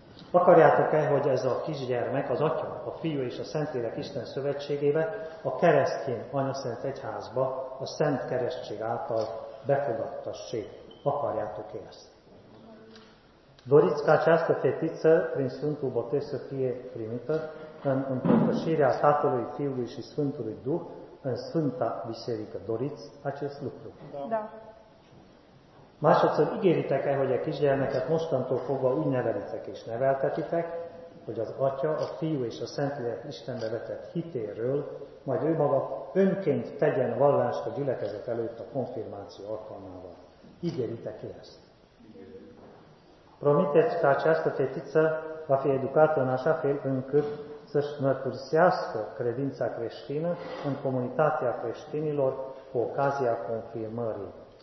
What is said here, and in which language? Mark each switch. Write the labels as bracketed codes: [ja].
[hu] Akarjátok-e, hogy ez a kisgyermek, az Atya, a Fiú és a Szentlélek Isten szövetségébe a keresztény anyaszent egyházba, a Szent Keresztség által befogadtassék? Akarjátok-e ezt? [ro] Doriți-vă această fetiță prin Sfântul Botez să fie primită în împărtășirea Tatălui, Fiului și Sfântului Duh în Sfânta Biserică. Doriți acest lucru? Da. [hu] Másodszor ígéritek-e, hogy a kisgyermeket mostantól fogva úgy nevelitek és neveltetitek, hogy az Atya, a Fiú és a Szentlélek Istenbe vetett hitéről, majd ő maga önként tegyen vallást a gyülekezet előtt a konfirmáció alkalmával. Ígéritek-e ezt? [ro] Promiteți că această fetiță va fi educată în așa fel încât să-și mărturisească credința creștină în comunitatea creștinilor cu ocazia confirmării.